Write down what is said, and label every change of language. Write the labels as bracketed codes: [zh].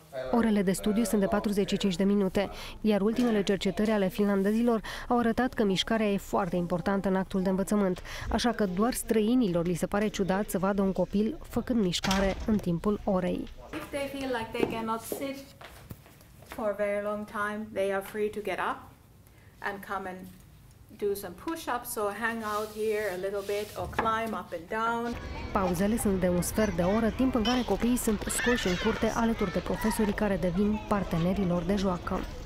[ro] Orele de studiu sunt de 45 de minute, iar ultimele cercetări ale finlandezilor au arătat că mișcarea e foarte importantă în actul de învățământ, așa că doar străinilor li se pare ciudat să vadă un copil făcând mișcare în timpul orei. [en] If they feel like they cannot sit for a very long time, they are free to get up and come and do some push-ups or hang out here a little bit or climb up and down. [ro] Pauzele sunt de un sfert de oră, timp în care copiii sunt scoși în curte alături de profesorii care devin partenerii lor de joacă.